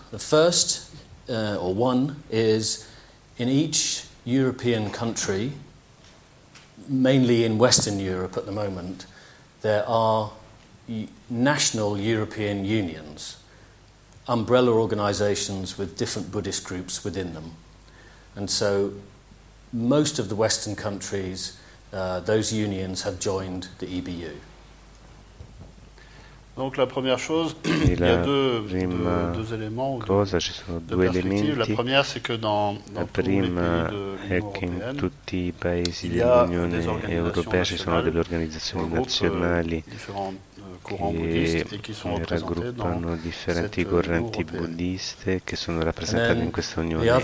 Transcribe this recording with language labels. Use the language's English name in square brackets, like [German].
[English] The first, or one, is in each European country, mainly in Western Europe at the moment, there are national European Unions, umbrella organizations with different Buddhist groups within them. And so most of the Western countries, those unions have joined the EBU. [French] Donc la première chose, il y a deux éléments, [Italian] due elementi. [French] La première, c'est que dans [Italian] la prima è che in tutti i paesi dell'Unione Europea ci sono delle organizzazioni nazionali che raggruppano differenti correnti buddiste che sono rappresentate in questa Unione Europea.